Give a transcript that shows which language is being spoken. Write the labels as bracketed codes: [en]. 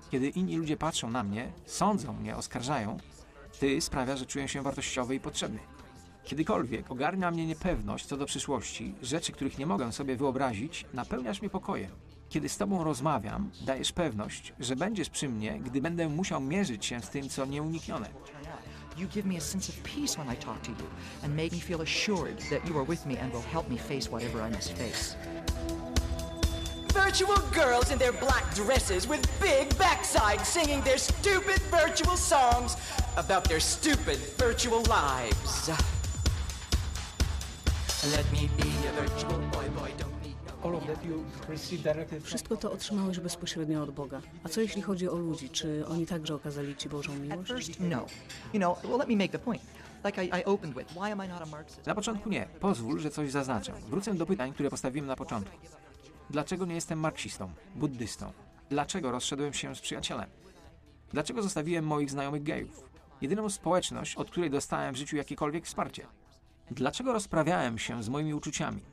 [pl] Kiedy inni ludzie patrzą na mnie, sądzą mnie, oskarżają, Ty sprawiasz, że czuję się wartościowy i potrzebny. Kiedykolwiek ogarnia mnie niepewność co do przyszłości, rzeczy, których nie mogę sobie wyobrazić, napełniasz mnie pokojem. Kiedy z Tobą rozmawiam, dajesz pewność, że będziesz przy mnie, gdy będę musiał mierzyć się z tym, co nieuniknione. [en] You give me a sense of peace when I talk to you and make me feel assured that you are with me and will help me face whatever I must face. Virtual girls in their black dresses with big backsides singing their stupid virtual songs about their stupid virtual lives. Let me be a virtual boy, boy, don't need no... All of that you received directly from... [pl] Wszystko to otrzymałeś bezpośrednio od Boga. A co jeśli chodzi o ludzi? Czy oni także okazali Ci Bożą miłość? [en] At first, no. You know, well, let me make the point. Like I opened with, why am I not a Marxist? [pl] Na początku nie. Pozwól, że coś zaznaczę. Wrócę do pytań, które postawiłem na początku. Dlaczego nie jestem marksistą, buddystą? Dlaczego rozszedłem się z przyjacielem? Dlaczego zostawiłem moich znajomych gejów? Jedyną społeczność, od której dostałem w życiu jakiekolwiek wsparcie. Dlaczego rozprawiałem się z moimi uczuciami?